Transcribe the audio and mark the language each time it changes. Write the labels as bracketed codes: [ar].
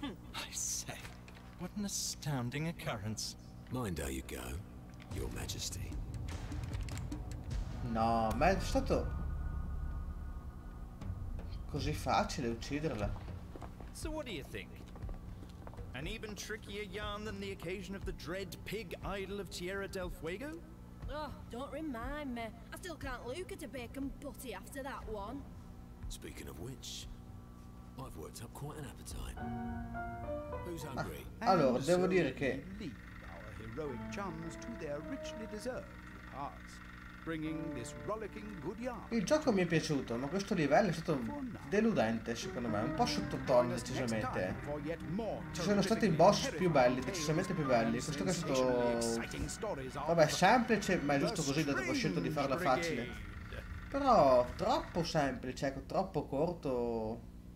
[en] I say, what an astounding occurrence. Mind how you go, your majesty. [it] No, ma è stato così facile ucciderla. [en] So what do you think? An even trickier yarn than the occasion of the dread pig idol of Tierra del Fuego? Oh, don't remind me. I still can't look at a bacon butty after that one. Speaking of which, I've worked up quite an appetite. Who's hungry? [it] Allora, devo dire che [en] heroic chums to their richly deserved hearts, bringing this rollicking good yarn. [it] Il gioco mi è piaciuto, ma questo livello è stato deludente, secondo me, un po' sottotono decisamente. Ci sono stati boss più belli, decisamente più belli. Questo che è stato, vabbè, semplice, ma è giusto così, dato che ho scelto di farla facile. Però troppo semplice, ecco, troppo corto.